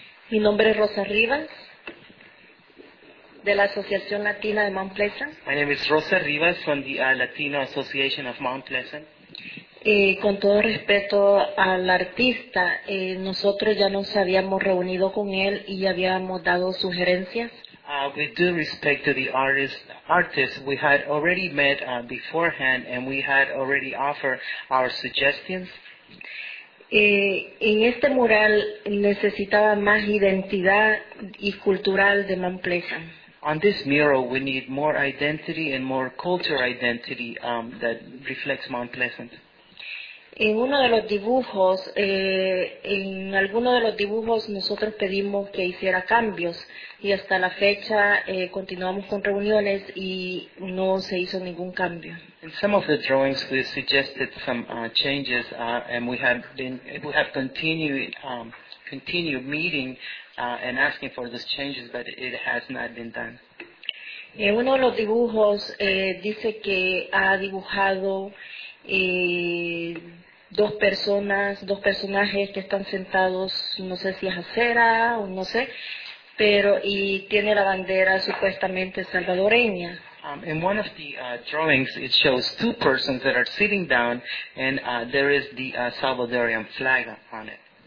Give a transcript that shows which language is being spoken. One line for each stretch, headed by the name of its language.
Spanish: Mi nombre es Rosa Rivas, de la Asociación Latina de Mount Pleasant.
English: My name is Rosa Rivas from the Latino Association of Mount Pleasant.
Spanish: Con todo respeto al artista, nosotros ya nos habíamos reunido con él y habíamos dado sugerencias.
English: With due respect to the artist, we had already met beforehand and we had already offered our suggestions.
Spanish: En este mural necesitaba más identidad y cultural de Mount Pleasant.
English: On this mural, we need more identity and more cultural identity that reflects Mount Pleasant.
Spanish: En uno de los dibujos, en alguno de los dibujos, nosotros pedimos que hiciera cambios y hasta la fecha continuamos con reuniones y no se hizo ningún cambio.
English: In some of the drawings, we suggested some changes, and we have continued meeting and asking for those changes, but it has not been done.
Spanish: En uno de los dibujos dice que ha dibujado dos personajes que están sentados, no sé si es acera o no sé, pero y tiene la bandera supuestamente salvadoreña.
English: In one of the drawings, it shows two persons that are sitting down, and there is the Salvadorian flag on it.